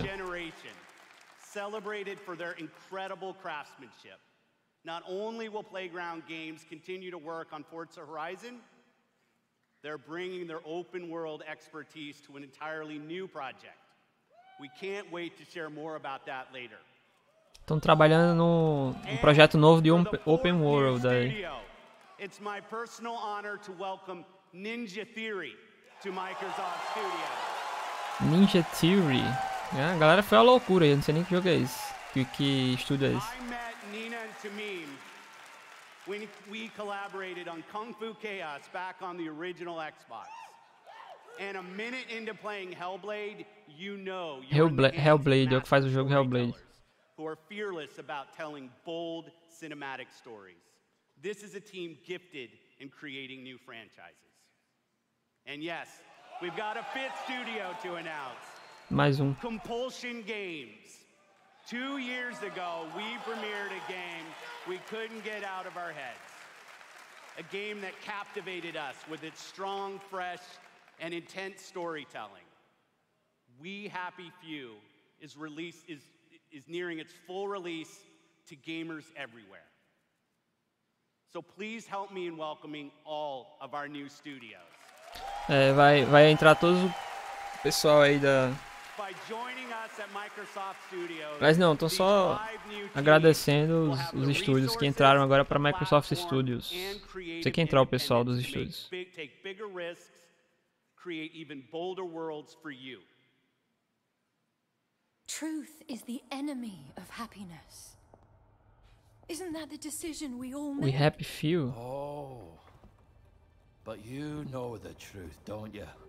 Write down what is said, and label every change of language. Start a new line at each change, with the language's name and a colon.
English: Generation, celebrated for their incredible craftsmanship. Not only will Playground Games continue to work on Forza Horizon, they're bringing their open world expertise to an entirely new project. We can't wait to share more about that later.
Portuguese: Estão trabalhando num projeto novo de open world aí.
English: It's my personal honor to welcome Ninja Theory to Microsoft Studios. Ninja Theory.
Portuguese: É, a galera foi a loucura, eu não sei nem que jogo é esse. Que estúdio é esse?
English: When we collaborated on Kung Fu Chaos back on the original Xbox. And a minute into playing Hellblade, you know
Portuguese: Hellblade, é o que faz o jogo Hellblade.
English: Who are fearless about telling bold cinematic stories. This is a team gifted in creating new franchises. And yes, we've got a fifth studio to announce.
Portuguese: Mais um.
English: Compulsion Games. 2 years ago, we premiered a game we couldn't get out of our heads. A game that captivated us with its strong, fresh, and intense storytelling. We Happy Few is nearing its full release to gamers everywhere. So please help me in welcoming all of our new studios.
Portuguese: É, vai entrar todos o pessoal aí da...
English: By joining us at Microsoft Studios,
Portuguese: mas não, estou só agradecendo os estúdios que entraram agora para Microsoft Studios. Você que entrar o pessoal dos estúdios.
English: Take bigger risks, create even bolder worlds for you. Truth is the enemy of happiness. Isn't that the decision we all make? We Happy Few. Oh, but you know the truth, don't you?